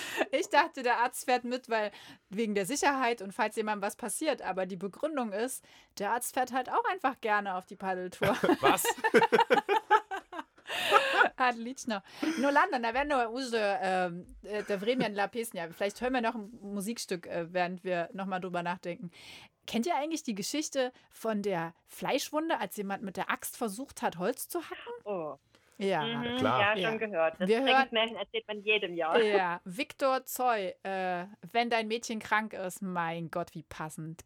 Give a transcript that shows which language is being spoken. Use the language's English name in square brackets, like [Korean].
[German] Ich dachte, der Arzt fährt mit, weil wegen der Sicherheit und falls jemandem was passiert. Aber die Begründung ist, der Arzt fährt halt auch einfach gerne auf die Paddeltour. Was? [Russian] Отлично. Ну ладно, наверное, уже это время для песни. [German] Vielleicht hören wir noch ein Musikstück, während wir nochmal drüber nachdenken. Kennt ihr eigentlich die Geschichte von der Fleischwunde, als jemand mit der Axt versucht hat, Holz zu hacken? Oh. Ja, klar. Ja, schon gehört. Das Trinkmärchen erzählt man jedem Jahr. Ja, Viktor Цой, wenn dein Mädchen krank ist, mein Gott, wie passend.